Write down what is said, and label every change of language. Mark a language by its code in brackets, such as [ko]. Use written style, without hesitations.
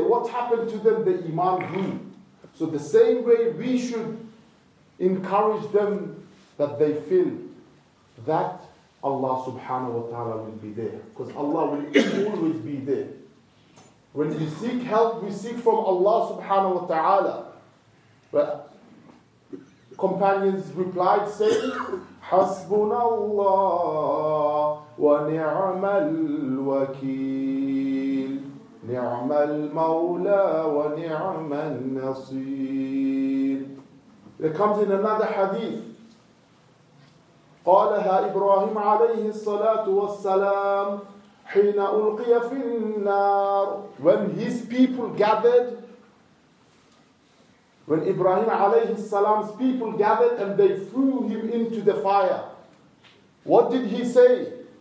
[en] What happened to them? The iman grew. So the same way we should encourage them that they feel that Allah subhanahu wa ta'ala will be there. Because Allah will always be there. When we seek help, we seek from Allah subhanahu wa ta'ala. But companions replied saying, [ar] حَسْبُنَا اللَّهُ وَنِعْمَ الْوَكِيلُ نِعْمَ الْمَوْلَى وَنِعْمَ النَّصِيرُ. [en] There comes in another hadith. [ar] قَالَهَا إِبْرَاهِيمُ عَلَيْهِ الصَّلَاةُ وَالسَّلَامُ حِينَ أُلْقِيَ فِي النَّارِ, [en] when his people gathered, when Ibrahim alayhi salam's people gathered and they threw him into the fire, what did he say?